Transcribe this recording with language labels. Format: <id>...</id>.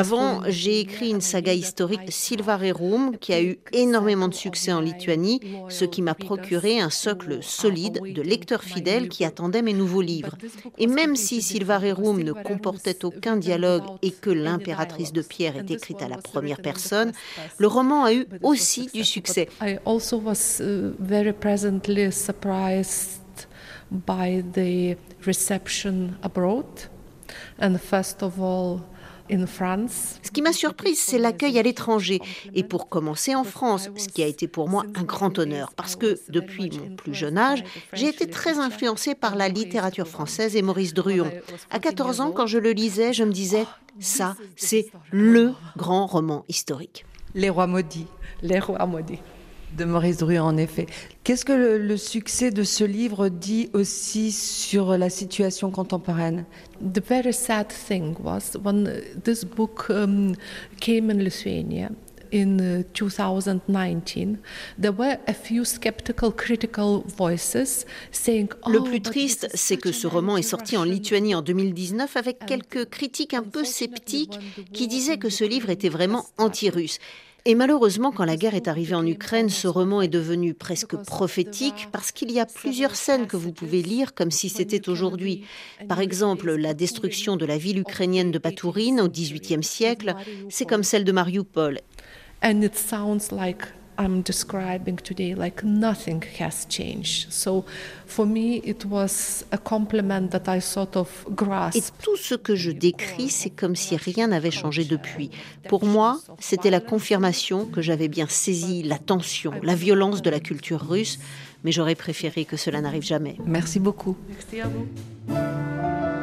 <fr>Avant, j'ai écrit une saga historique Silvarerum qui a eu énormément de succès en Lituanie, ce qui m'a procuré un socle solide de lecteurs fidèles qui attendaient mes nouveaux livres. Et même si Silvarerum ne comportait aucun dialogue et que l'impératrice de Pierre est écrite à la première personne, le roman a eu aussi du succès.</fr> <en>I also was very pleasantly surprised by the reception abroad and first of all in France.</en> <fr>Ce qui m'a surprise, c'est l'accueil à l'étranger et pour commencer en France, ce qui a été pour moi un grand honneur parce que depuis mon plus jeune âge, j'ai été très influencée par la littérature française et Maurice Druon. À 14 ans, quand je le lisais, je me disais ça, c'est le grand roman historique. Les rois maudits. Les rois maudits. De Maurice Druon, en effet. Qu'est-ce que le succès de ce livre dit aussi sur la situation contemporaine?</fr> <en>The very sad thing was when this book came in Lithuania in 2019, there were a few skeptical, critical voices saying, oh,</en> <fr>le plus triste, c'est que ce roman est sorti en Lituanie en 2019 avec quelques critiques un peu sceptiques qui disaient que ce livre était vraiment anti-russe. Et malheureusement, quand la guerre est arrivée en Ukraine, ce roman est devenu presque prophétique parce qu'il y a plusieurs scènes que vous pouvez lire comme si c'était aujourd'hui. Par exemple, la destruction de la ville ukrainienne de Batourine au XVIIIe siècle, c'est comme celle de Mariupol.</fr> <en>And it sounds like I'm describing today, like nothing has changed. So for me, it was a compliment that I sort of grasped.</en> <fr>Et tout ce que je décris, c'est comme si rien n'avait changé depuis. Pour moi, c'était la confirmation que j'avais bien saisi la tension, la violence de la culture russe, mais j'aurais préféré que cela n'arrive jamais. Merci beaucoup. Merci à vous.</fr>